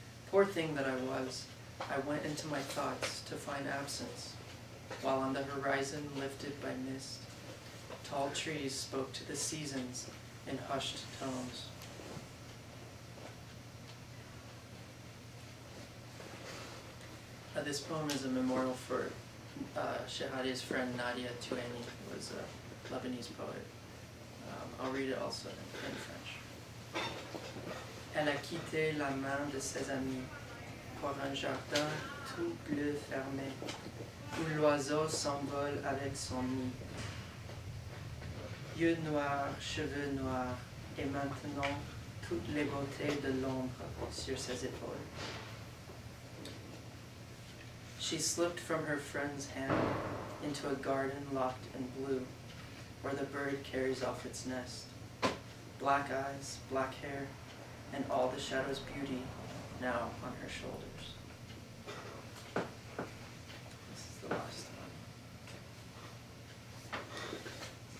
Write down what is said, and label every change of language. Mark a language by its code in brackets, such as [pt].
[en] Poor thing that I was, I went into my thoughts to find absence, while on the horizon lifted by mist, tall trees spoke to the seasons in hushed tones. This poem is a memorial for Shahadi's friend Nadia Tueni, who was a Lebanese poet. I'll read it also in French. [fr] Elle a quitté la main de ses amis pour un jardin tout bleu fermé où l'oiseau s'envole avec son nid. Yeux noirs, cheveux noirs, et maintenant toutes les beautés de l'ombre sur ses épaules. [en] She slipped from her friend's hand into a garden locked in blue, where the bird carries off its nest. Black eyes, black hair, and all the shadow's beauty now on her shoulders. This is the last one.